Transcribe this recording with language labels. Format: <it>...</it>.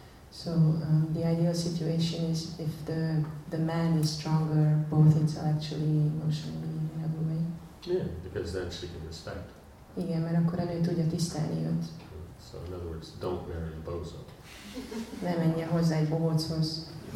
<en>So the ideal situation is if the man is stronger, both intellectually, emotionally, in every way. Yeah, because then she can respect.</en> <hu>Igen, mert akkor a nő tudja tisztelni őt.</hu> <en>So in other words, don't marry a bozo.</en> <hu>Ne menjél hozzá egy bohóchoz.</hu>